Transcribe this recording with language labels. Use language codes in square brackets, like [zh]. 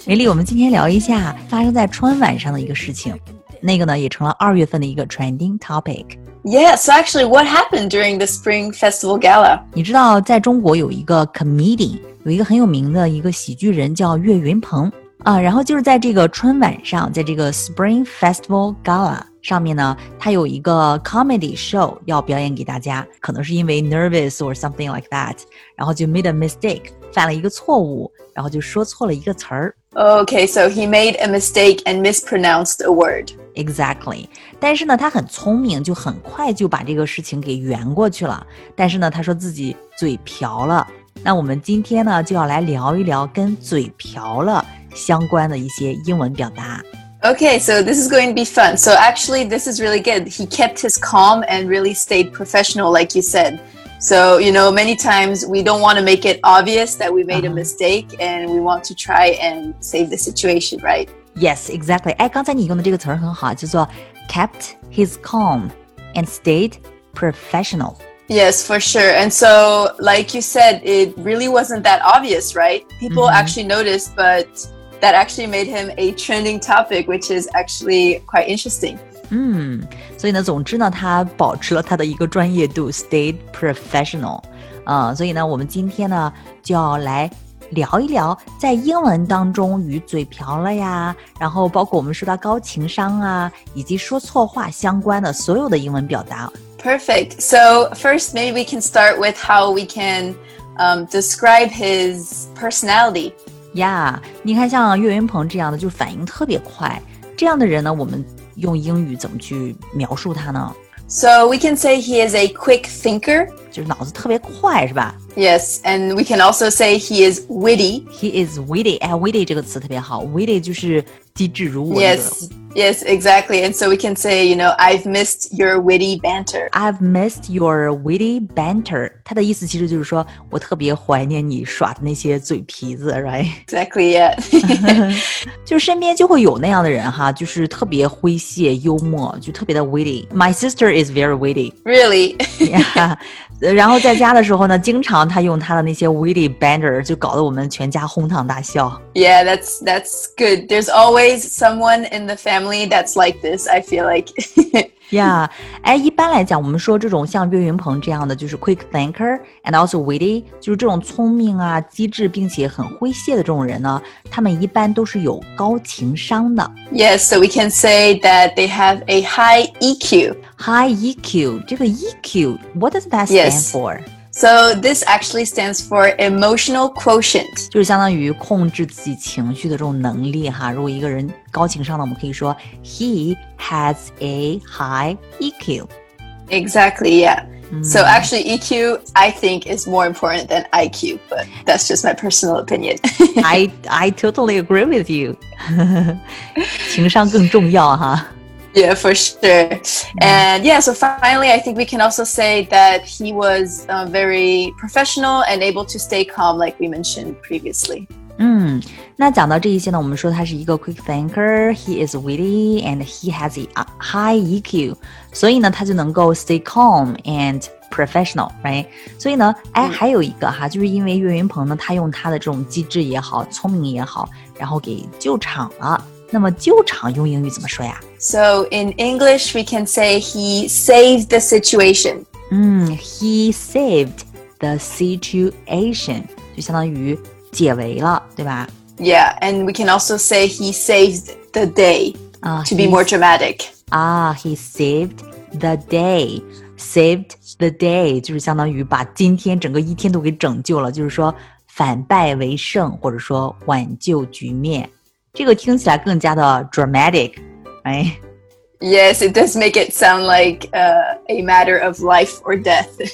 [zh] 梅丽，我们今天聊一下发生在春晚上的一个事情。那个呢，也成了二月份的一个 [en] trending topic。 Yeah, so actually, what happened during the Spring Festival Gala? [zh] 你知道在中国有一个 comedian, 有一个很有名的一个喜剧人叫岳云鹏、啊、然后就是在这个春晚上，在这个 [en] Spring Festival Gala [zh] 上面呢，他有一个 [en] comedy show [zh] 要表演给大家，可能是因为 [en] nervous or something like that, [zh] 然后就 [en] made a mistake, [zh] 犯了一个错误，然后就说错了一个词儿。 [en] Okay, so he made a mistake and mispronounced a word. Exactly. [zh] 但是呢他很聪明就很快就把这个事情给圆过去了。但是呢他说自己嘴瓢了。那我们今天呢就要来聊一聊跟嘴瓢了相关的一些英文表达。 [en] Okay, so this is going to be fun. So actually, this is really good. He kept his calm and really stayed professional, like you said. So, you know, many times we don't want to make it obvious that we made a mistake and we want to try and save the situation, right? Yes, exactly. [zh] 哎，刚才你用的这个词很好，叫做 [en] kept his calm and stayed professional. Yes, for sure. And so, like you said, it really wasn't that obvious, right? People actually noticed, but that actually made him a trending topic, which is actually quite interesting. [zh] 所以呢总之呢他保持了他的一个专业度 [en] stayed professional、 [zh] 所以呢我们今天呢就要来聊一聊在英文当中与嘴瓢了呀然后包括我们说到高情商啊以及说错话相关的所有的英文表达 [en] Perfect, so first maybe we can start with how we can、describe his personality [zh] Yeah, 你看像岳云鹏这样的就反应特别快这样的人呢我们用英语怎么去描述他呢 [en] So we can say he is a quick thinker [zh] 就是脑子特别快是吧 [en] Yes, and we can also say he is witty He is witty, [zh] 哎 witty 这个词特别好 Witty 就是机智如我 [en] Yes, yes, exactly And so we can say, you know, I've missed your witty banter I've missed your witty banter [zh] 他的意思其实就是说我特别怀念你耍的那些嘴皮子 [en] right? Exactly, yeah [zh] 就身边就会有那样的人哈就是特别诙谐幽默就特别的 witty [en] My sister is very witty Really? [zh] yeah 然后在家的时候呢经常他用他的那些 [en] witty banter [zh] 就搞得我们全家哄堂大笑 [en] Yeah, that's good There's always someone in the family that's like this, I feel like. [zh] yeah, 哎，一般来讲，我们说这种像岳云鹏这样的，就是 [en] quick thinker and also witty, [zh] 就是这种聪明啊、机智并且很诙谐的这种人呢，他们一般都是有高情商的。 [en] Yes, so we can say that they have a high EQ. High EQ, [zh] 这个 [en] EQ, what does that stand yes. for? So this actually stands for emotional quotient. [zh] 就是相当于控制自己情绪的这种能力哈。如果一个人高情商的，我们可以说 [en] he has a high EQ. Exactly, yeah. So actually EQ, I think, is more important than IQ, but that's just my personal opinion. I totally agree with you. [zh] 情商更重要哈。 [en] Yeah, for sure. And yeah, so finally, I think we can also say that he was、very professional and able to stay calm, like we mentioned previously. [zh] 那讲到这一些呢，我们说他是一个 [en] quick thinker, he is witty, and he has a high EQ. [zh] 所以呢，他就能够 [en] stay calm and professional, right? [zh] 所以呢，哎，还有一个哈，就是因为岳云鹏呢，他用他的这种机智也好，聪明也好，然后给救场了。那么救场用英语怎么说呀 [en] So in English, we can say he saved the situation. He saved the situation. [zh] 就相当于解围了，对吧 [en] Yeah, and we can also say he saved the day, to be more dramatic. He saved the day. Saved the day, [zh] 就是相当于把今天整个一天都给拯救了，就是说反败为胜，或者说挽救局面。这个听起来更加的 [en] dramatic, right? Yes, it does make it sound like、a matter of life or death.